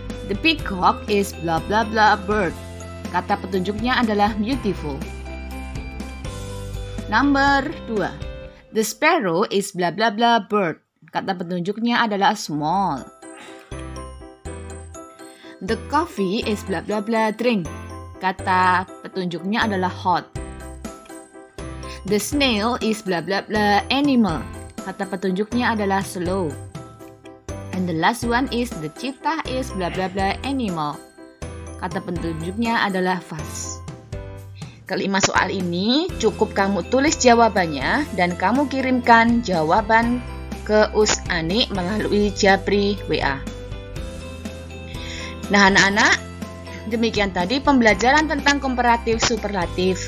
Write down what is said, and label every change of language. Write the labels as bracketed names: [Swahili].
[English] The peacock is blah blah blah bird. [Indonesian] Kata petunjuknya adalah beautiful. [English] Number 2. The sparrow is blah blah blah bird. [Indonesian] Kata petunjuknya adalah small. [English] The coffee is blah blah blah drink. [Indonesian] Kata petunjuknya adalah hot. [English] The snail is blah blah blah animal. [Indonesian] Kata petunjuknya adalah slow. [English] And the last one is the cheetah is blah blah blah animal. [Indonesian] Kata petunjuknya adalah fast. Kelima soal ini cukup kamu tulis jawabannya dan kamu kirimkan jawaban ke Us Ani melalui Japri WA. Nah, anak-anak, demikian tadi pembelajaran tentang komparatif superlatif.